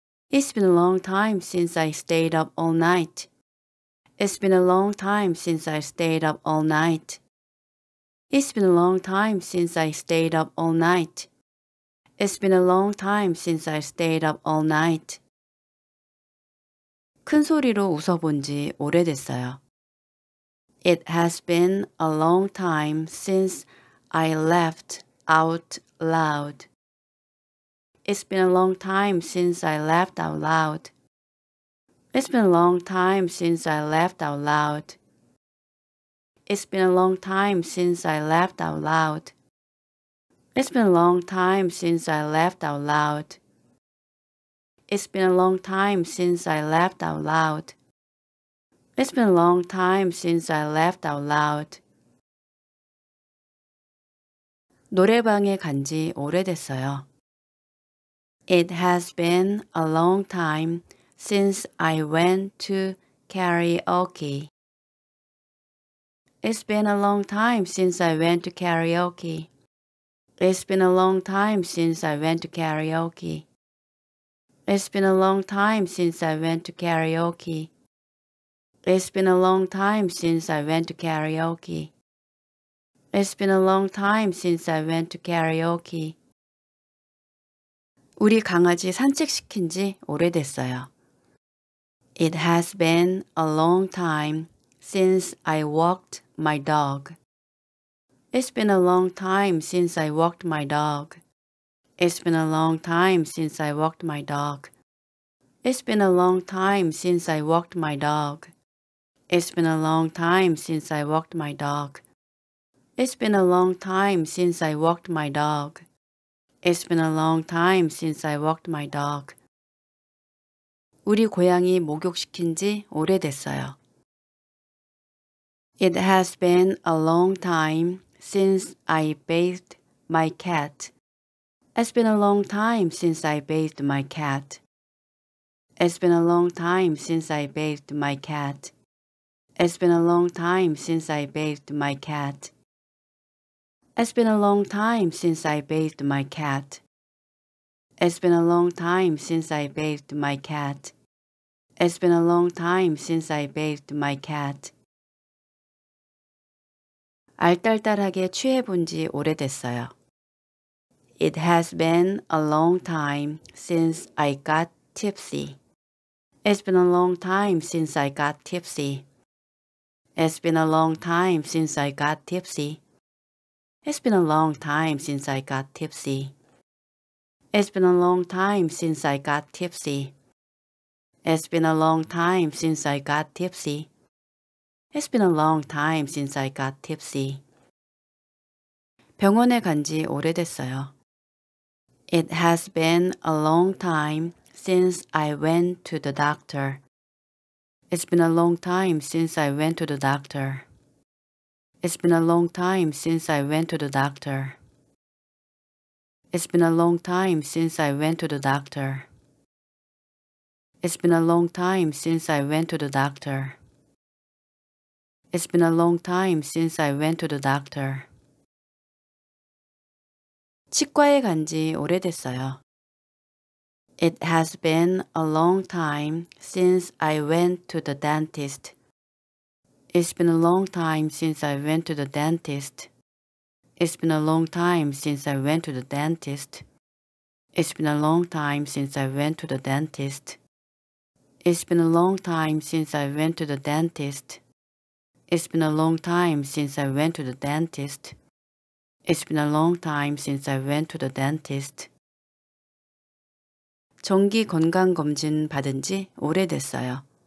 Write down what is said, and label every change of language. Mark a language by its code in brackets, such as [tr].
[en] It's been a long time since I stayed up all night. It's been a long time since I stayed up all night. It's been a long time since I stayed up all night. It's been a long time since I stayed up all night. [ko] 큰 소리로 웃어본 지 오래됐어요. [en] It has been a long time since I laughed out loud. It's been a long time since I laughed out loud. It's been a long time since I laughed out loud. It's been a long time since I laughed out loud. It's been a long time since I laughed out loud. It's been a long time since I laughed out loud. It's been a long time since I laughed out loud. [ko] 노래방에 간 지 오래됐어요. [en] It has been a long time since I went to karaoke. It's been a long time since I went to karaoke. It's been a long time since I went to karaoke. It's been a long time since I went to karaoke. It's been a long time since I went to karaoke. It's been a long time since I went to karaoke. [ko] 우리 강아지 산책시킨 지 오래됐어요. [en] It has been a long time since I walked my dog. It's been a long time since I walked my dog. It's been a long time since I walked my dog. It's been a long time since I walked my dog. It's been a long time since I walked my dog. It's been a long time since I walked my dog. It's been a long time since I walked my dog. [ko] 우리 고양이 목욕시킨 지 오래됐어요. [en] It has been a long time since I bathed my cat. It's been a long time since I bathed my cat. It's been a long time since I bathed my cat. It's been a long time since I bathed my cat. It's been a long time since I bathed my cat. It's been a long time since I bathed my cat. It's been a long time since I bathed my cat. [ko] 알딸딸하게 취해 본 지 오래됐어요. [en] It has been a long time since I got tipsy. It's been a long time since I got tipsy. It's been a long time since I got tipsy. It's been a long time since I got tipsy. It's been a long time since I got tipsy. It's been a long time since I got tipsy. It's been a long time since I got tipsy. [ko] 병원에 간 지 오래됐어요. [en] It has been a long time since I went to the doctor. It's been a long time since I went to the doctor. It's been a long time since I went to the doctor. It's been a long time since I went to the doctor. It's been a long time since I went to the doctor. It's been a long time since I went to the doctor. [ko] 치과에 간 지 오래됐어요. [en] It has been a long time since I went to the dentist. It's been a long time since I went to the dentist. It's been a long time since I went to the dentist. It's been a long time since I went to the dentist. It's been a long time since I went to the dentist. It's been a long time since I went to the dentist. It's been a long time since I went to the dentist. [ko] 정기 건강검진 받은 지 오래됐어요.